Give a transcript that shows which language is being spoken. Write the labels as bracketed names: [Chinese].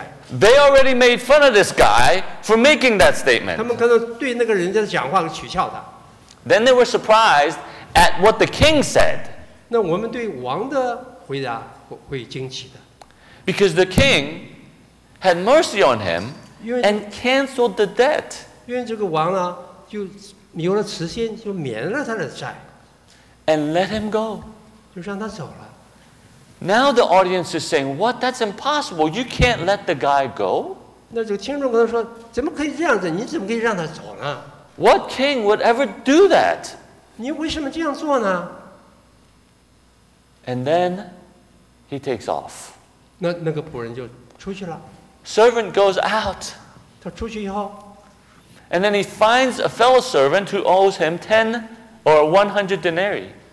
[English] They already made fun of this guy for making that statement. [Chinese] 他们可能对那个人家的讲话取笑他。 [English] Then they were surprised at what the king said. [Chinese] 那我们对王的回答会惊奇的。 [English] Because the king had mercy on him and canceled the debt. [Chinese] 因为这个王啊, 就有了慈心, 就免了他的债, [English] and let him go. [Chinese] 就让他走了。 [English] Now the audience is saying, what? That's impossible. You can't let the guy go. [Chinese] 那这个听众跟他说, 怎么可以这样子? 你怎么可以让他走呢? [English] What king would ever do that? [Chinese] 你为什么这样做呢? [English] And then he takes off. [Chinese] 那个仆人就出去了。 [English] Servant goes out. [Chinese] 他出去以后, [English] and then he finds a fellow servant who owes him 10 or 100 denarii.